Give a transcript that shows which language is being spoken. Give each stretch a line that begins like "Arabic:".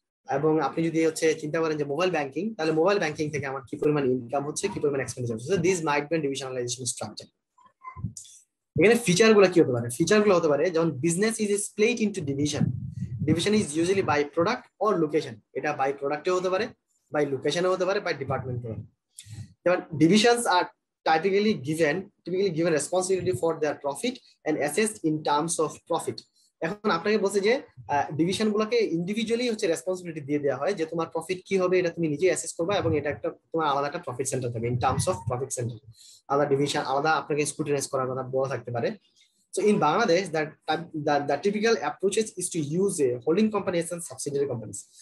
Bangla: এবং আপনি যদি হচ্ছে চিন্তা করেন যে মোবাইল ব্যাংকিং, তাহলে মোবাইল ব্যাংকিং থেকে আমার কি পরিমাণ ইনকাম হচ্ছে, কি পরিমাণ এক্সপেন্ডিচার হচ্ছে,
English: This might be divisionalization structure.
Bangla: এখানে ফিচার গুলো কি হতে পারে, ফিচার গুলো হতে পারে যেমন
English: business is split into division, division is usually by product or location,
Bangla: এটা বাই প্রোডাক্টে হতে পারে, বাই লোকেশনে হতে পারে, বাই ডিপার্টমেন্টে। যেমন
English: Divisions are typically given responsibility for their profit and assessed in terms of profit.
Bangla: এখন আপনাকে বলছে যে ডিভিশন গুলোকে ইন্ডিভিজুয়ালি হচ্ছে রেসপন্সিবিলিটি দিয়ে দেওয়া হয় যে তোমার প্রফিট কি হবে এটা তুমি নিজেই অ্যাসেস করবা, এবং এটা একটা তোমার আলাদা একটা প্রফিট সেন্টার থাকবে,
English: in terms of profit center,
Bangla: আলাদা ডিভিশন আলাদা আপনাকে স্ক্রুটিনাইজ করার কথা বলা থাকতে পারে।
English: So in Bangladesh that typical approaches is to use a holding companies and subsidiary companies.